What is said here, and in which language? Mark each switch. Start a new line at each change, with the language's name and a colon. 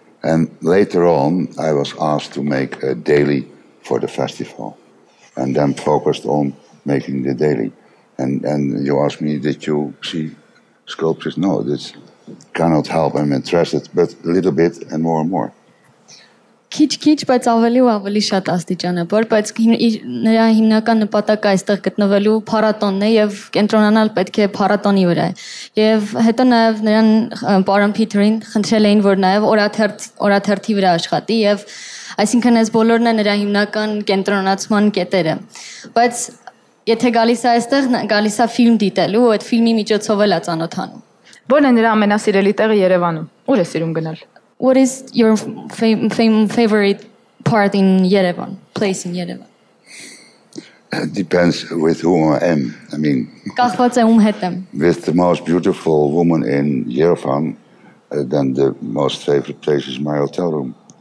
English: And later on, I was asked to make a daily for the festival. And then focused on making the daily. And you ask me, did you see sculptures? No, this cannot help. I'm interested, but a little bit and more.
Armenian: Քիչ-քիչ, բայց ավելի ու ավելի շատ աստիճանաբար, բայց նրա հիմնական նպատակը այստեղ գտնվելու փառատոնն է եւ կենտրոնանալ պետք է փառատոնի վրա։ Եվ հետո նաեւ նրան պարոն Փիթերին խնդրել էին, որ նաեւ օրաթերթի վրա աշխատի, եւ այսինքն այս բոլորն են նրա հիմնական կենտրոնացման կետերը։ Բայց եթե գալիս է այստեղ, գալիս է ֆիլմ դիտելու, ու այդ ֆիլմի միջոցով էլ է ծանոթանում։ Որն է նրա ամենասիրելի տեղը Երևանում։ Ուր է սիրում գնալ։
English: What is your favorite part in Yerevan, place in Yerevan? It depends with whom I am. I mean, with the most beautiful woman in Yerevan, then the most favorite place is my hotel room.